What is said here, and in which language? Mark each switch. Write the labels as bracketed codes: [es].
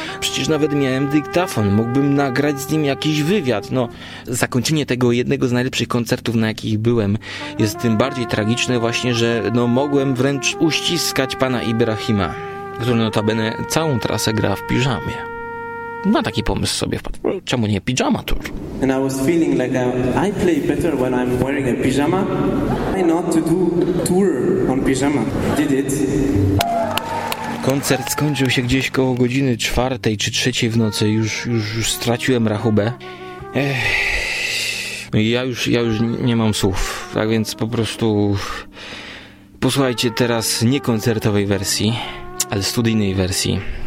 [pl] Przecież nawet miałem dyktafon, mógłbym nagrać z nim jakiś wywiad. No, zakończenie tego jednego z najlepszych koncertów, na jakich byłem, jest tym bardziej tragiczne właśnie, że no mogłem wręcz uściskać pana Ibrahima, który notabene całą trasę gra w piżamie. Na taki pomysł sobie wpadł. Czemu nie piżama tu? [en] And I was feeling like I play better when I'm wearing a pyjama. Why not to do tour on pyjama? Did it. [pl] Koncert skończył się gdzieś koło godziny 4 czy 3 w nocy. Już straciłem rachubę. Ja już nie mam słów. Tak więc po prostu posłuchajcie teraz nie koncertowej wersji, ale studyjnej wersji.